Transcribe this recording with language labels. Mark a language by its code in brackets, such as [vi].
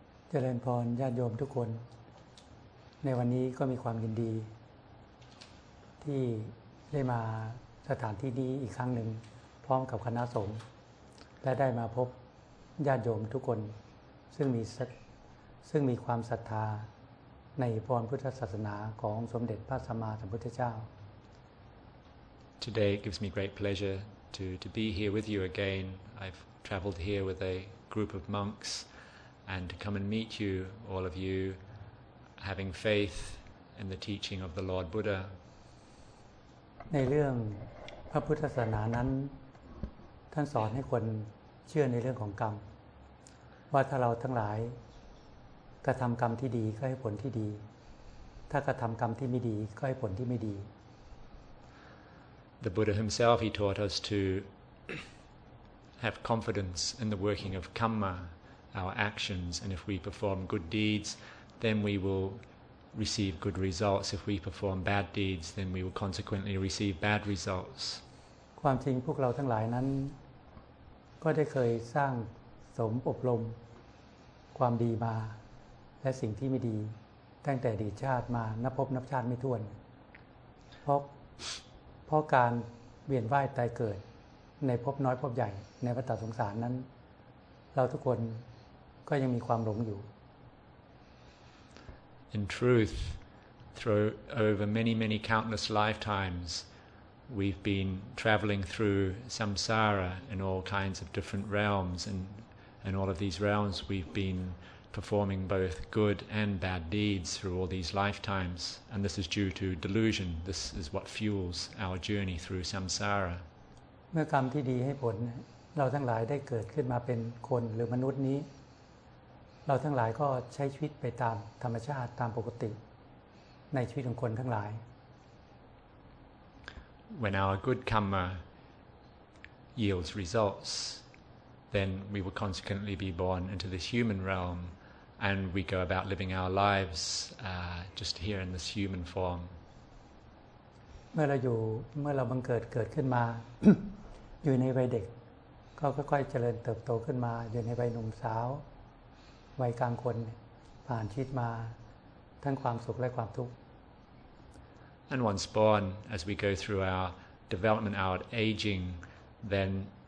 [th] เจริญพรญาติโยมทุกคนในวันนี้ก็มีความยินดีที่ได้มาสถานที่นี้อีกครั้งหนึ่งพร้อมกับคณะสงฆ์และได้มาพบญาติโยมทุกคนซึ่งมีความศรัทธาในพรพุทธศาสนาของสมเด็จพระสัมมาสัมพุทธเจ้า [en] Today gives me great pleasure to be here with you again. I've traveled here with a group of monksAnd to come and meet you, all of you, having faith in the teaching of the Lord Buddha. [th] ในเรื่องพระพุทธศาสนานั้นท่านสอนให้คนเชื่อในเรื่องของกรรมว่าถ้าเราทั้งหลายกระทำกรรมที่ดีก็ให้ผลที่ดีถ้ากระทำกรรมที่ไม่ดีก็ให้ผลที่ไม่ดี [en] The Buddha himself he taught us to have confidence in the working of karma. Our actions, and if we perform good deeds, then we will receive good results. If we perform bad deeds, then we will consequently receive bad results. [th] ความจริงพวกเราทั้งหลายนั้นก็ได้เคยสร้างสมอบรมความดีมาและสิ่งที่ไม่ดี ตั้งแต่อดีตชาติมานับภพนับชาติไม่ถ้วนเพราะการเวียนว่ายตายเกิดในภพน้อยภพใหญ่ในวัฏสงสารนั้นเราทุกคนก็ยังมีความหลงอยู่ [en] In truth through over many many countless lifetimes we've been traveling through samsara in all kinds of different realms and all of these realms we've beenperforming both good and bad deeds through all these lifetimes and this is due to delusion this is what fuels our journey through samsara [th] เมื่อกรรมที่ดีให้ผลเราทั้งหลายได้เกิดขึ้นมาเป็นคนหรือมนุษย์นี้เราทั้งหลายก็ใช้ชีวิตไปตามธรรมชาติตามปกติในชีวิตของคนทั้งหลาย [en] When our good karma yields resultsThen we will consequently be born into this human realm, and we go about living our lives just here in this human form. And once born, as we go through our development, our aging, then.